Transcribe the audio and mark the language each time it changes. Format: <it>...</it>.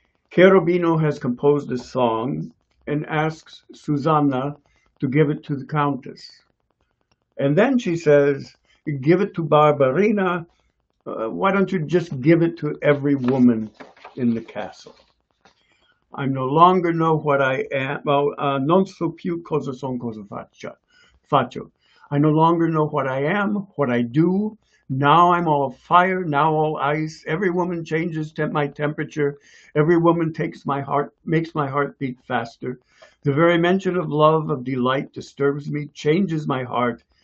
<en>Cherubino has composed a song and asks Susanna to give it to the Countess. And then she says, give it to Barbarina. Why don't you just give it to every woman in the castle? I no longer know what I am.</en> <it>Non so più cosa son cosa faccio.</it> <en>I no longer know what I am, what I do. Now I'm all fire, now all ice. Every woman changes my temperature. Every woman makes my heart beat faster. The very mention of love, of delight, disturbs me, changes my heart.</en>